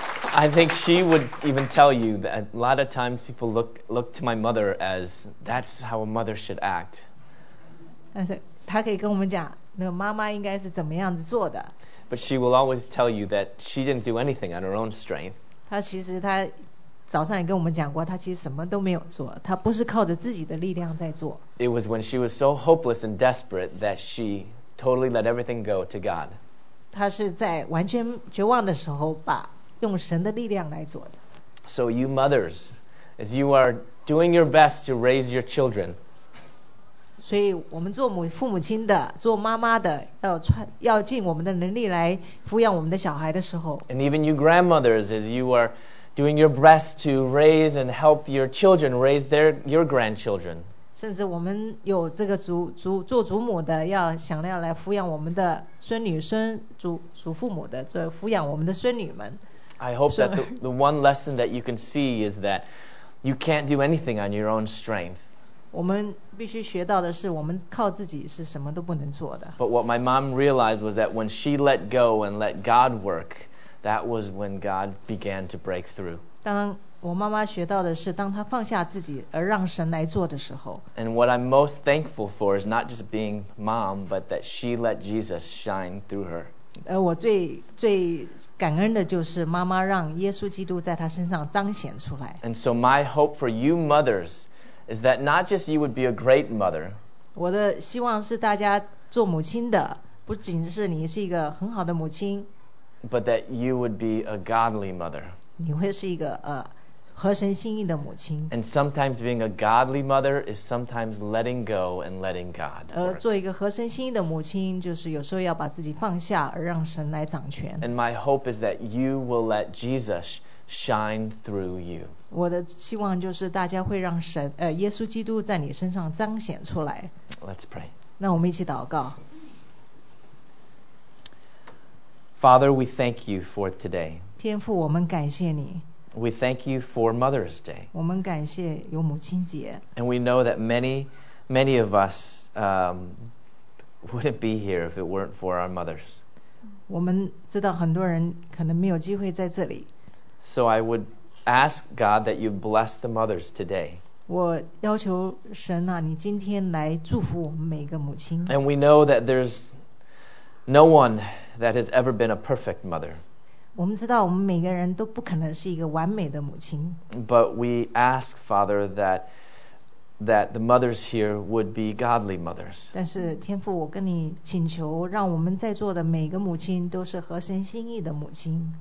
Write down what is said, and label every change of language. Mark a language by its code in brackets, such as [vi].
[en] I think she would even tell you that a lot of times people look to my mother as that's how a mother should act. [zh] 但是她可以跟我们讲，那个妈妈应该是怎么样子做的。 [en] But she will always tell you that she didn't do anything on her own strength. [zh] 她早上也跟我们讲过，她其实什么都没有做，她不是靠着自己的力量在做。 [en] It was when she was so hopeless and desperate that she totally let everything go to God. [zh] 她是在完全绝望的时候把用神的力量来做的。 [en] So you mothers, as you are doing your best to raise your children. [zh] 所以我们做父母亲的，做妈妈的，要尽我们的能力来抚养我们的小孩的时候。 [en] And even you grandmothers, as you are doing your best to raise and help your children raise their grandchildren. [zh] 甚至我们有这个做祖母的要想要来抚养我们的孙女孙祖父母的就抚养我们的孙女们 [en] I hope that the one lesson that you can see is that you can't do anything on your own strength [zh] 我们必须学到的是我们靠自己是什么都不能做的 [en] But what my mom realized was that when she let go and let God work that was when God began to break through [zh] 当我妈妈学到的是当她放下自己而让神来做的时候 [en] And what I'm most thankful for is not just being mom but that she let Jesus shine through her [zh] 而我最感恩的就是妈妈让耶稣基督在她身上彰显出来 [en] And so my hope for you mothers is that not just you would be a great mother [zh] 我的希望是大家做母亲的不仅是你是一个很好的母亲 [en] but that you would be a godly mother [zh] 你会是一个合神心意的母亲 [en] And sometimes being a godly mother is sometimes letting go and letting God work. [zh] 做一个合神心意的母亲就是有时候要把自己放下而让神来掌权 [en] And my hope is that you will let Jesus shine through you [zh] 我的希望就是大家会让神耶稣基督在你身上彰显出来 [en] Let's pray [zh] 那我们一起祷告 [en] Father we thank you for today [zh] 天父我们感谢你 [en] We thank you for Mother's Day. [zh] 我们感谢有母亲节。 [en] And we know that many, many of us wouldn't be here if it weren't for our mothers. [zh] 我们知道很多人可能没有机会在这里。 [en] So I would ask God that you bless the mothers today. [zh] 我要求神啊，你今天来祝福我们每个母亲。 [en] And we know that there's no one that has ever been a perfect mother. [zh] 我们知道我们每个人都不可能是一个完美的母亲 [en] But we ask, Father, that the mothers here would be godly mothers [zh] 但是天父我跟你请求让我们在座的每个母亲都是合神心意的母亲